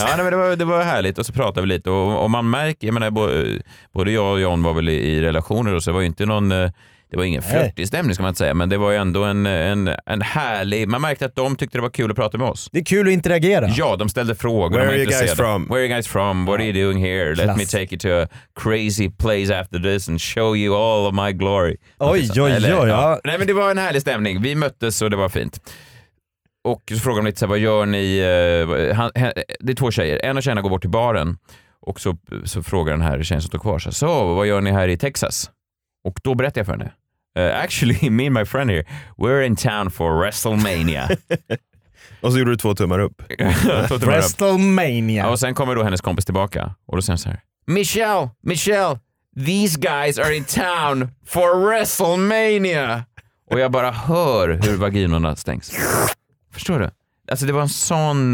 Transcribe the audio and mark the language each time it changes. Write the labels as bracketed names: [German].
[Swedish] Ja, nej, men det var härligt och så pratade vi lite. Och man märker, jag menar, både jag och John var väl i relationer och så var ju inte någon, det var ingen flörtig stämning ska man inte säga. Men det var ju ändå en härlig, man märkte att de tyckte det var kul att prata med oss. Det är kul att interagera. Ja, de ställde frågor. [English] Where are you guys from? Where are you guys from? What are you doing here? Let me take you to a crazy place after this and show you all of my glory. [Swedish] Oj, oj, oj, oj. Nej, men det var en härlig stämning. Vi möttes och det var fint. Och så frågar de lite så här, vad gör ni? Det är två tjejer. En av tjejerna går bort till baren. Och så frågar den här tjejen som står kvar, så vad gör ni här i Texas? Och då berättar jag för henne. [English] Actually, me and my friend here, we're in town for WrestleMania. [Swedish] Och så gjorde du två tummar upp. WrestleMania. Och sen kommer då hennes kompis tillbaka. Och då säger hon så här, Michelle, [English] these guys are in town for WrestleMania. [Swedish] Och jag bara hör hur vaginorna stängs. Förstår du? Alltså det var en sån...